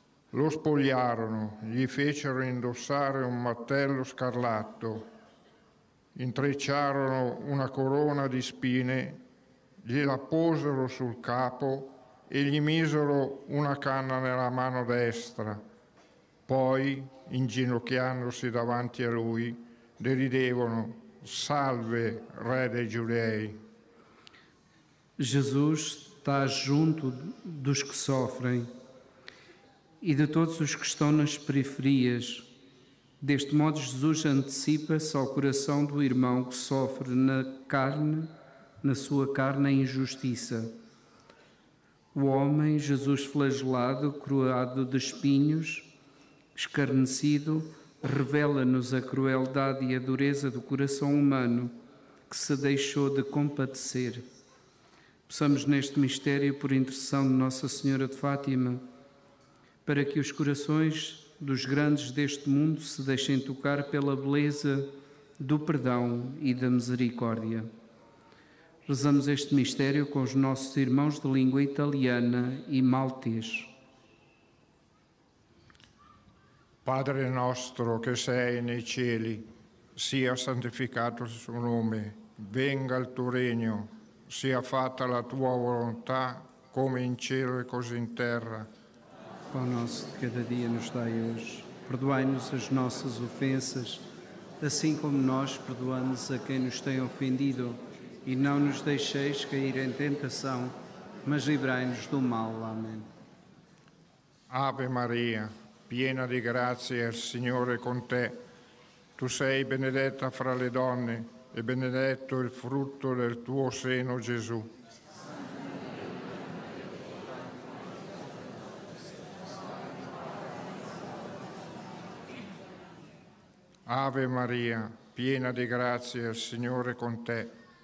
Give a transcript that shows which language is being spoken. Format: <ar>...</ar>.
<it>Lo spogliarono, gli fecero indossare un mantello scarlatto, intrecciarono una corona di spine, gliela posero sul capo e gli misero una canna nella mano destra. Poi, inginocchiandosi davanti a lui, deridevano: Salve, re dei Giudei!</it> <pt>Gesù sta junto dos que sofrem e de todos os que estão nas periferias. Deste modo, Gesù antecipa-se ao coração do irmão que sofre na carne, na sua carne, a injustiça. O homem, Jesus flagelado, coroado de espinhos, escarnecido, revela-nos a crueldade e a dureza do coração humano que se deixou de compadecer. Peçamos neste mistério, por intercessão de Nossa Senhora de Fátima, para que os corações dos grandes deste mundo se deixem tocar pela beleza do perdão e da misericórdia. Rezamos este mistério com os nossos irmãos de língua italiana e maltês.</pt> <it>Padre nostro che sei nei cieli, sia santificato il suo nome, venga il tuo regno, sia fatta la tua volontà, come in cielo e così in terra.</it> <pt>Pão nosso de cada dia nos dai hoje, perdoai-nos as nossas ofensas, assim como nós perdoamos a quem nos tem ofendido. E não nos deixeis cair em tentação, mas livrai-nos do mal. Amém. Ave Maria, piena de graça, o Senhor é com te.</pt> <it>Tu sei benedetta fra le donne, e benedetto il frutto del tuo seno, Gesù. Ave Maria, piena di grazia, il Signore è con te.</it>